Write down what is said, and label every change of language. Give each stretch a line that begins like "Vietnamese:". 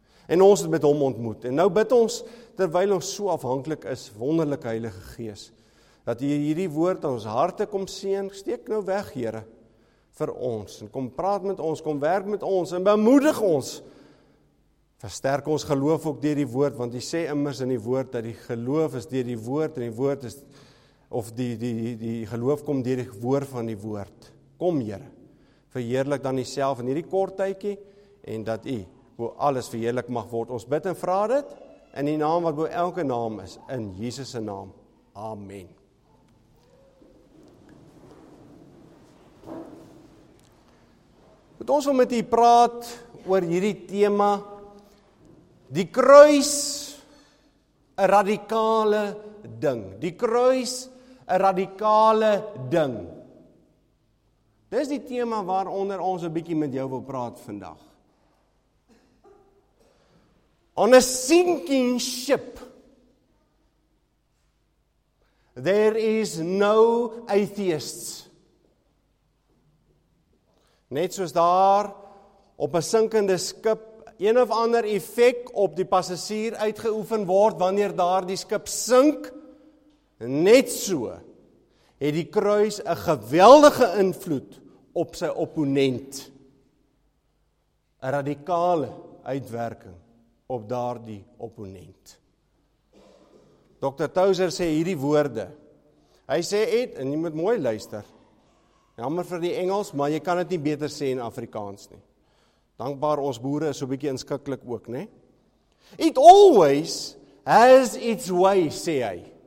Afrikaans: En ons het met hom ontmoet. En nou bid ons, terwyl ons so afhanklik is, wonderlike Heilige Gees, dat U hierdie woord aan ons harte kom seën. Steek nou weg, Here, vir ons. En kom praat met ons, kom werk met ons en bemoedig ons. Versterk ons geloof ook deur die woord, want U sê immers in die woord dat die geloof is deur die woord en die woord is of die geloof kom deur die woord van die woord. Kom, Here, verheerlik dan Uself in hierdie kort tydjie en dat U bo alles verheerlik mag word. Ons bid en vra dit in die naam wat bo elke naam is, in Jesus se naam. Amen. Wat ons wil met U praat oor hierdie tema, die kruis, 'n radikale ding. Die kruis, 'n radikale ding. Dis die tema waaronder ons 'n bietjie met jou wil praat vandag.
English: On a sinking ship, there is no atheists.
Afrikaans: Net soos daar op 'n sinkende skip een of ander effek op die passasier uitgeoefen word wanneer daar die skip sink, net so het die kruis 'n geweldige invloed op sy opponent. 'N radikale uitwerking op daardie opponent. Dr. Tauzer sê hierdie woorde. Hy sê, Ed, en jy moet mooi luister, jammer vir die Engels, maar jy kan het nie beter sê in Afrikaans nie. Dankbaar ons boere is so bietjie inskikkelijk ook, nie?
English: It always has its way, sê hy.